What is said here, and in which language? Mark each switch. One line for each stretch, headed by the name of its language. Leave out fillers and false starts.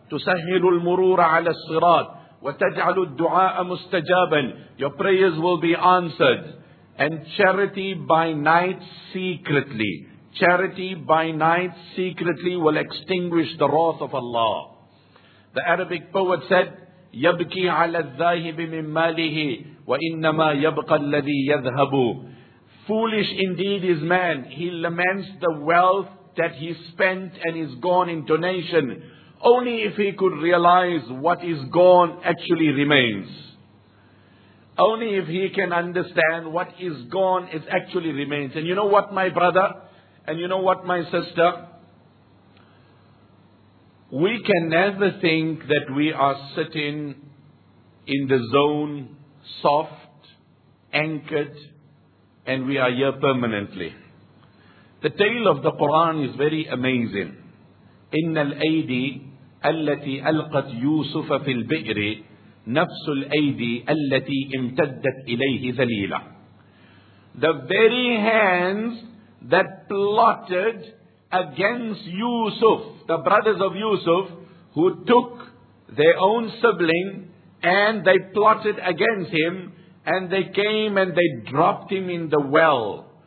Arabic: Tusahhilu al-murur ala as-sirat wa taj'alu ad-du'a mustajaban.
English: Your prayers will be answered. And charity by night secretly. Charity by night secretly will extinguish the wrath of Allah. The Arabic poet said,
Arabic: يَبْكِي عَلَى الذَّاهِبِ مِنْ مَالِهِ وَإِنَّمَا يَبْقَى الَّذِي يَذْهَبُ.
English: Foolish indeed is man. He laments the wealth that he spent and is gone in donation. Only if he could realize what is gone actually remains. Only if he can understand what is gone, it actually remains. And you know what, my brother? And you know what, my sister? We can never think that we are sitting in the zone, soft, anchored, and we are here permanently. The tale of the Quran is very amazing.
Arabic: إِنَّ الْأَيْدِي أَلَّتِي أَلْقَتْ يُوسُفَ فِي الْبِئْرِ نفس الأيدي التي امتدت إليه ذليلة.
English: The very hands that plotted against Yusuf, the brothers of Yusuf, who took their own sibling and they plotted against him, and they came and they dropped him in the well.